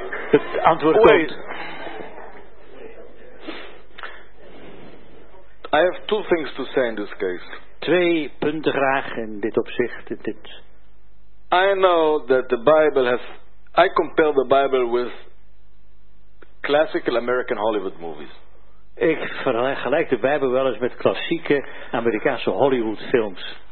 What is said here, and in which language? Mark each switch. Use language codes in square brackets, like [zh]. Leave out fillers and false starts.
[nl] Het antwoord komt. [en] I have two things to say in this case. [nl] Twee punten graag in dit opzicht. In dit. [en] I know that the Bible has. I compare the Bible with classical American Hollywood movies. [nl] Ik vergelijk de Bijbel wel eens met klassieke Amerikaanse Hollywood films.